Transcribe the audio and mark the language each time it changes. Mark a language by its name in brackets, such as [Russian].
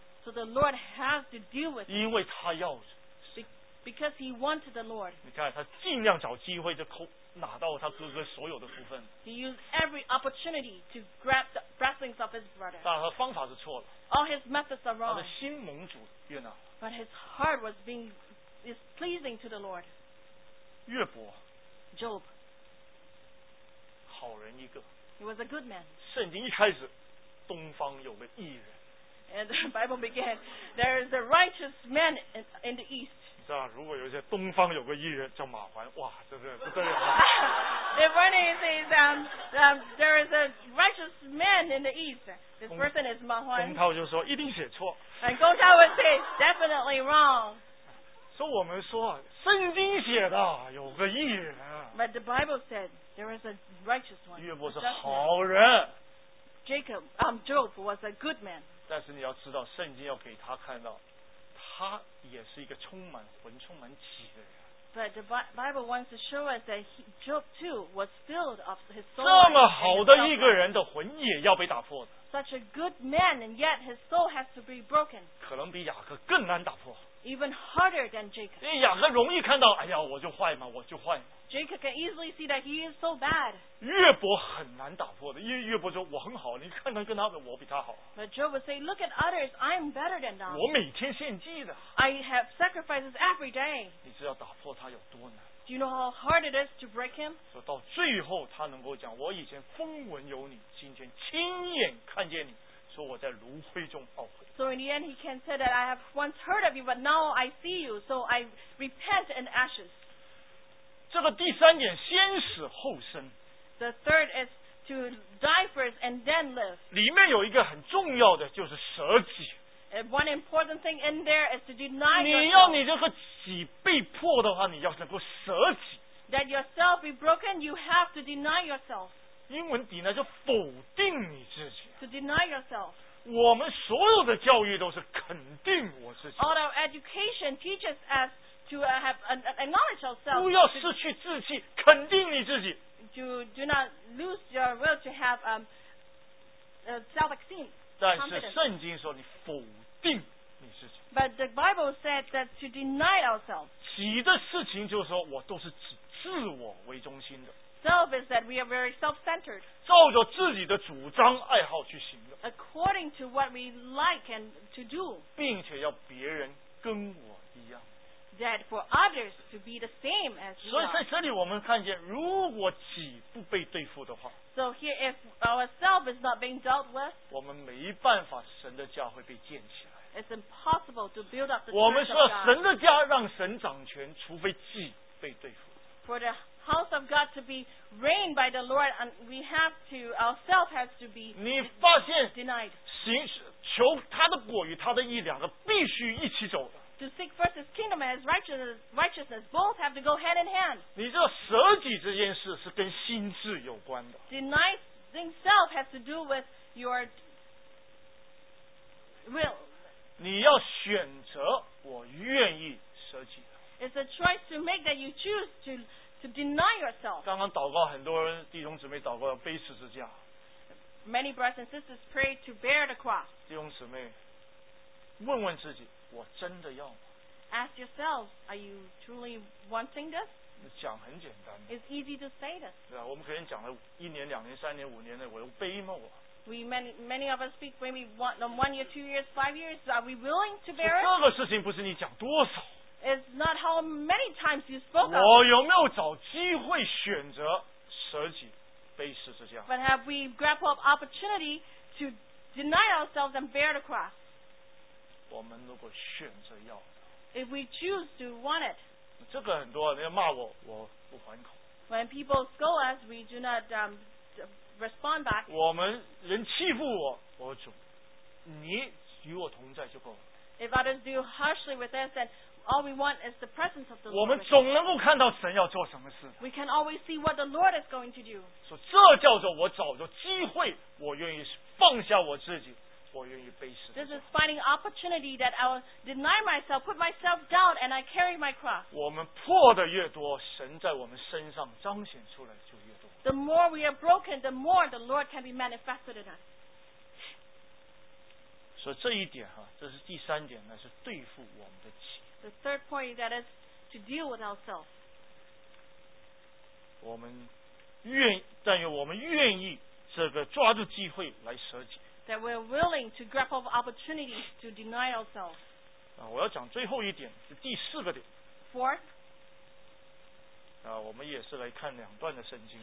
[English] So the Lord has to deal with him. [Chinese] 因为他要。 [English] Because he wanted the Lord. [Chinese] 你看他尽量找机会就抠。拿到他哥哥所有的福分。 [English] He used every opportunity to grab the blessings of his brother. [Chinese] 但他方法是错了。 [English] All his methods are wrong. [Chinese] 他的心蒙主悦纳。 [English] But his heart was being is pleasing to the Lord. [Chinese] 约伯。 [English] Job. [Chinese] 好人一个。 [English] He was a good man. [Chinese] 圣经一开始，东方有个义人。 [English] And the Bible began, there is a righteous man in the east. [Chinese] 你知道，如果有些东方有个艺人叫马环，哇，这个不得了。 [English] If one is there is a righteous man in the east, this person is 马环。 [Chinese] 龚涛就说一定写错。 [English] And 龚涛 would say definitely wrong. [Chinese] 说我们说圣经写的有个艺人。 [English] But the Bible said there is a righteous one. [Chinese] 约伯是好人。 [English] Jacob, Job was a good man. [Chinese] 但是你要知道，圣经要给他看到。他也是一个充满魂、充满己的人。 [English] But the Bible wants to show us that Job too was filled of his soul. [Chinese] 这么好的一个人的魂也要被打破的。 [English] Such a good man, and yet his soul has to be broken. [Chinese] 可能比雅各更难打破。 [English] Even harder than Jacob. [Chinese] 因为雅各容易看到，哎呀，我就坏嘛，我就坏嘛。 [English] Jacob can easily see that he is so bad. [Chinese] 约伯很难打破的，因为约伯说我很好，你看看跟他们，我比他好。 [English] But Job would say, look at others, I am better than them. [Chinese] 我每天献祭的。 [English] I have sacrifices every day. [Chinese] 你知道打破他有多难。 [English] Do you know how hard it is to break him? [Chinese] 说到最后他能够讲，我以前风闻有你，今天亲眼看见你，说我在炉灰中懊悔。 [English] So in the end he can say that I have once heard of you, but now I see you, so I repent in ashes. [Chinese] 这个第三点，先死后生。 [English] The third is to die first and then live. [Chinese] 里面有一个很重要的，就是舍己。 [English] And one important thing in there is to deny yourself. [Chinese] 你要你这个己被迫的话，你要能够舍己。 [English] That yourself be broken, you have to deny yourself. [Chinese] 英文 deny 就否定你自己。 [English] To deny yourself. [Chinese] 我们所有的教育都是肯定我自己。 [English] All our education teaches us to have acknowledge ourselves. [Chinese] 不要失去志气，肯定你自己。 [English] To do not lose your will to have self-esteem. [Chinese] 但是圣经说你否定你自己。 [English] But the Bible said that to deny ourselves. [Chinese] 己的事情就是说我都是只自我为中心的。 [English] Self is that we are very self-centered. [Chinese] 照着自己的主张爱好去行的。 [English] According to what we like and to do. [Chinese] 并且要别人跟我一样。 [English] That for others to be the same as we are. [Chinese] 所以在这里我们看见，如果己不被对付的话。 [English] So here if our self is not being dealt with. [Chinese] 我们没办法，神的家会被建起来。 [English] It's impossible to build up the church. [Chinese] 我们说神的家让神掌权，除非己被对付。 [English] For the house of God to be reigned by the Lord, and we have to, ourself has to be denied. [Chinese] 你发现行求他的果与他的义两个必须一起走的。 [English] To seek first his kingdom and his righteousness, both have to go hand in hand. [Chinese] 你知道舍己这件事是跟心智有关的。 [English] Denying self has to do with your will. [Chinese] 你要选择，我愿意舍己。 [English] It's a choice to make that you choose to deny yourself. [Chinese] 刚刚祷告，很多人弟兄姊妹祷告要背十字架。 [English] Many brothers and sisters pray to bear the cross. [Chinese] 弟兄姊妹，问问自己，我真的要吗？ [English] Ask yourself, are you truly wanting this? [Chinese] 讲很简单。 [English] It's easy to say this. [Chinese] 对吧？我们可能讲了一年、两年、三年、五年的，我要背吗？我。 [English] We many of us speak maybe one year, 2 years, 5 years. Are we willing to bear it? [Chinese] 这个事情不是你讲多少。 [English] It's not how many times you spoke. [Chinese] 我有没有找机会选择舍己，背十字架 [English] ？But have we grabbed up opportunity to deny ourselves and bear the cross? [Chinese] 我们如果选择要 [English] ，If we choose to want it, [Chinese] 这个很多人要骂我，我不还口。 [English] When people scold us, we do not respond back. [Chinese] 我们人欺负我，我主，你与我同在就够了。 [English] If others deal harshly with us, then all we want is the presence of the Lord. [Chinese] 我们总能够看到神要做什么事。 [English] We can always see what the Lord is going to do. [Chinese] 说这叫做我找着机会，我愿意放下我自己，我愿意背十字架。 [English] This is finding opportunity that I will deny myself, put myself down, and I carry my cross. [Chinese] 我们破的越多，神在我们身上彰显出来就越多。 [English] The more we are broken, the more the Lord can be manifested in us. [Chinese] 所以这一点哈，这是第三点，那是对付我们的己。 [English] The third point that is to deal with ourselves. [Chinese] 我们愿，但愿我们愿意这个抓住机会来舍己。 [English] That we're willing to grab up opportunities to deny ourselves. [Chinese] 啊，我要讲最后一点，是第四个点。 [English] Fourth. [Chinese] 啊，我们也是来看两段的圣经。